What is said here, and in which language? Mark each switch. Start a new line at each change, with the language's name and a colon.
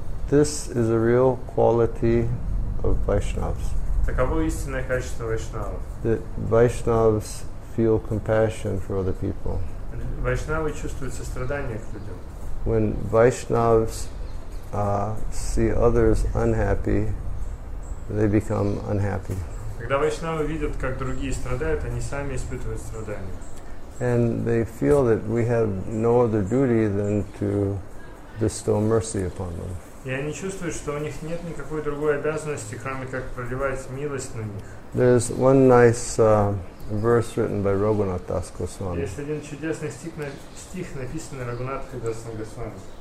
English: This is a real quality of Vaishnavas.
Russian: Таково истинное качество вайшнавов.
English: That Vaishnavas feel compassion for other people.
Russian: Вайшнавы чувствуют сострадание к людям.
English: When Vaishnavas see others unhappy, they become unhappy.
Russian: Когда вайшнавы видят, как другие страдают, они сами испытывают страдания.
English: And they feel that we have no other duty than to bestow mercy upon them.
Russian: И они чувствуют, что у них нет никакой другой обязанности, кроме как проливать милость на них.
English: There's one nice verse written by Raghunath Das Goswami.
Russian: Есть один чудесный стих, написанный Рагунатхой Дас Госвами.